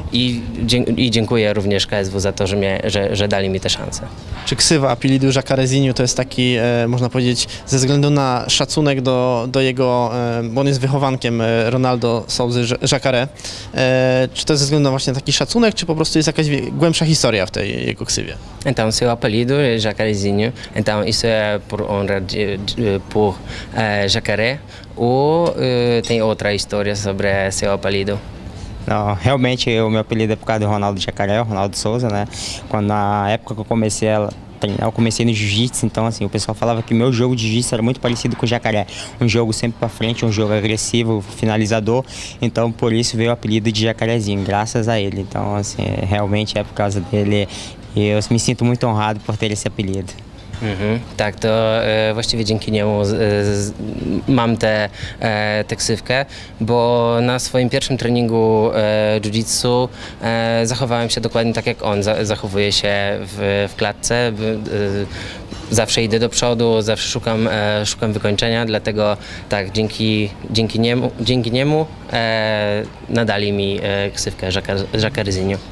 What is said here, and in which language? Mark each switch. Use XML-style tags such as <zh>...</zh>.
<pl>I dziękuję również KSW za to, że dali mi tę szansę. Czy ksywa Apilidu Jacarezinho to jest taki, można powiedzieć, ze względu na szacunek do jego, bo on jest wychowankiem Ronaldo Souzy Jacare, czy to jest ze względu na właśnie taki szacunek, czy po prostu jest jakaś głębsza historia w tej jego ksywie?</pl> <pt>Então, seu apelido é Jacarezinho, então isso é por honra por Jacare, ou tem outra história sobre seu apelido? Não, realmente o meu apelido é por causa do Ronaldo Jacaré, Ronaldo Souza, né? Quando na época que eu comecei a Eu comecei no jiu-jitsu, então assim, o pessoal falava que meu jogo de jiu-jitsu era muito parecido com o jacaré. Um jogo sempre pra frente, um jogo agressivo, finalizador. Então por isso veio o apelido de jacarezinho, graças a ele. Então assim, realmente é por causa dele. E eu me sinto muito honrado por ter esse apelido. Mm-hmm.</pt> <pl>Tak, to właściwie dzięki niemu mam tę ksywkę, bo na swoim pierwszym treningu jiu-jitsu zachowałem się dokładnie tak jak on, zachowuje się w klatce. Zawsze idę do przodu, zawsze szukam wykończenia, dlatego tak, dzięki niemu nadali mi ksywkę Jacarezinho.</pl>